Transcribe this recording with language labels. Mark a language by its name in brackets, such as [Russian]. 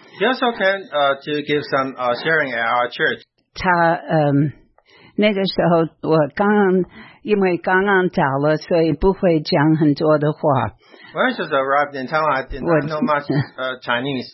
[English] He also came to give some sharing at our church. [Chinese] Ta, 那个时候我刚刚因为刚刚到了，所以不会讲很多的话。 [English] When I just arrived in town, I did not know much Chinese.